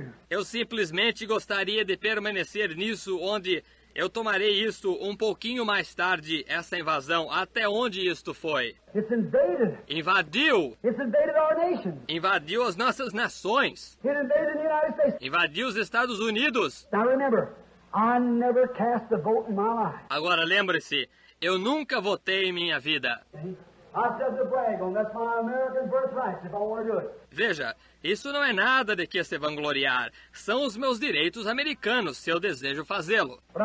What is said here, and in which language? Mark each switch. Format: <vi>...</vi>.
<pt>Eu simplesmente gostaria de permanecer nisso onde eu tomarei isto um pouquinho mais tarde, essa invasão. Até onde isto foi?</pt> <en>It's invaded.</en> <pt>Invadiu.</pt> <en>It's invaded our nation.</en> <pt>Invadiu as nossas nações.</pt> <en>It invaded the United States.</en> <pt>Invadiu os Estados Unidos.</pt> <en>Now remember, I never cast a vote in my life.</en> <pt>Agora lembre-se, eu nunca votei em minha vida.</pt> <en>I said to brag on, that's my American birthright if I want to do it.</en> <pt>Veja, isso não é nada de que se vangloriar. São os meus direitos americanos, se eu desejo fazê-lo.</pt>